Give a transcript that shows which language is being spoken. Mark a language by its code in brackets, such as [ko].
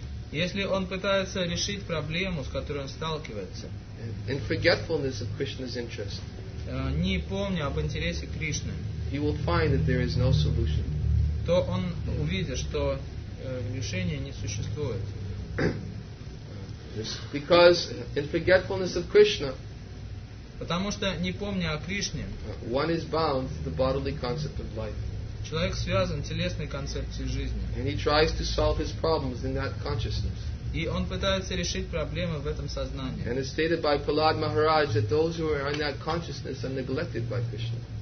[ru] Если он пытается решить проблему, с которой он сталкивается. [en] In forgetfulness of Krishna's interest. [ru] Не помня об интересе Кришны. [en] He will find that there is no solution. [ru] То он увидит, что решения не существует. [en] Because in forgetfulness of Krishna. [ru] Потому что не помня о Кришне. [en] One is bound to the bodily concept of life. [ru] Человек связан телесной концепцией жизни. [en] And he tries to solve his problems in that consciousness. [ru] И он пытается решить проблемы в этом сознании. [en] And it's stated by Prahlad Maharaj that those who are in that consciousness are neglected by Krishna.